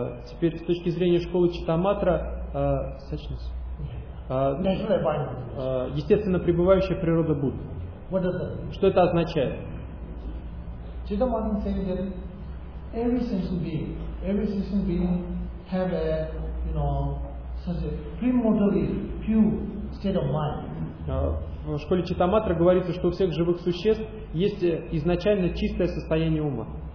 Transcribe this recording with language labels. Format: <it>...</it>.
<ru>Теперь с точки зрения школы Читаматра, suchness.</ru> <en>Natural abiding Buddha nature.</en> <ru>Естественно пребывающая природа Будды.</ru> <en>What does that mean?</en> <ru>Что это означает?</ru> <en>Chittamatha says that every sentient being have a, you know, such a primordially pure state of mind.</en> <ru>В школе Читаматра говорится, что у всех живых существ есть изначально чистое состояние ума.</ru>